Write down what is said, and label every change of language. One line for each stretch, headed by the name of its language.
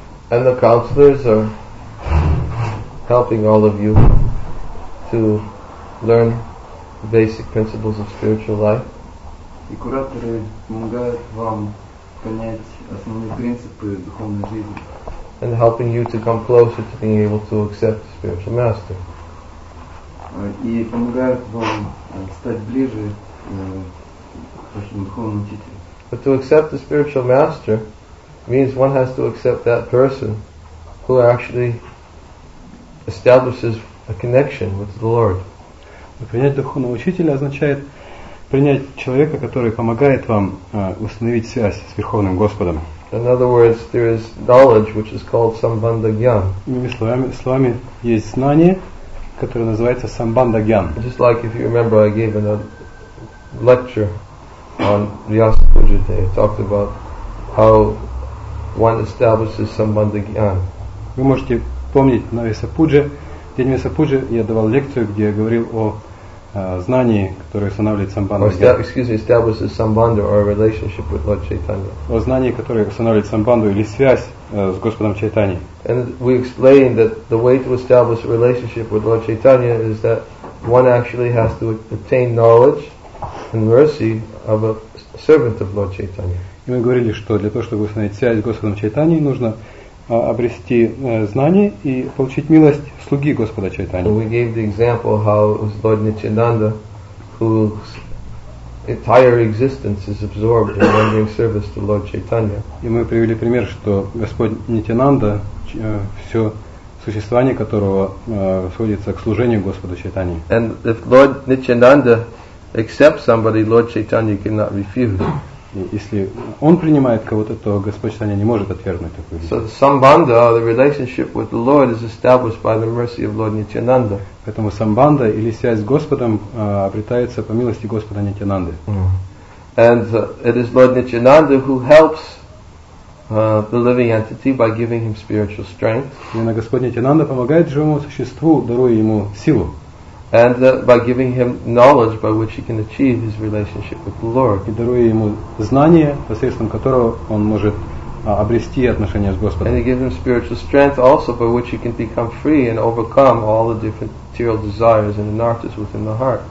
English: And the counselors are helping all of you to learn basic principles of spiritual life.
Russian: И кураторы помогают вам понять основные принципы духовной жизни.
English: And helping you to come closer to being able to accept the spiritual master.
Russian: И помогают вам стать ближе к вашему духовному учителю.
English: But to accept the spiritual master means one has to accept that person who actually establishes a connection with the Lord.
Russian: Принять духовного учителя означает принять человека, который помогает вам установить связь с Верховным Господом.
English: In other words, there is knowledge which is called Sambandha Gyan.
Russian: Иными словами, есть знание, которое называется Sambandha Gyan.
English: Just like if you remember, I gave a lecture on Vyasa Puja Day. It talked about how one establishes Sambandha Gyan.
Russian: Вы можете помнить на Vyasa Puja, день Vyasa Puja, я давал лекцию, где я говорил о знании, которое устанавливает Sambandha Gyan.
English: Excuse me, establishes Sambandha or a relationship with Lord Chaitanya.
Russian: О знании, которое устанавливает Sambandha или связь с Господом Чайтаньей.
English: And we explained that the way to establish a relationship with Lord Chaitanya is that one actually has to obtain knowledge and mercy of a servant of Lord Chaitanya.
Russian: И мы говорили, что для того, чтобы установить связь с Господом Чайтаньей, нужно обрести знание и получить милость слуги Господа Чайтаньи.
English: We gave the example how it was Lord Nityananda whose entire existence is absorbed in rendering service to Lord Chaitanya.
Russian: И мы привели пример, что Господь Нитинанда, все существование которого сводится к служению Господу Чайтаньи.
English: And if Lord Nityananda accepts somebody, Lord Chaitanya cannot refuse.
Russian: Если он принимает кого-то, то Господь Чайтанья не может отвергнуть такую вещь.
English: So the Sambandha, the relationship with the Lord, is established by the mercy of Lord Nityananda.
Russian: Поэтому Sambandha, или связь с Господом, обретается по милости Господа Нитянанды.
English: And it is Lord Nityananda who helps the living entity by giving him spiritual strength.
Russian: Именно Господь Нитянанда помогает живому существу, даруя ему силу.
English: And by giving him knowledge by which he can achieve his relationship with the Lord.
Russian: И даруя ему знание, посредством которого он может обрести отношения с Господом.
English: And he gives him spiritual strength also by which he can become free and overcome all the different material desires and anarthas within the heart.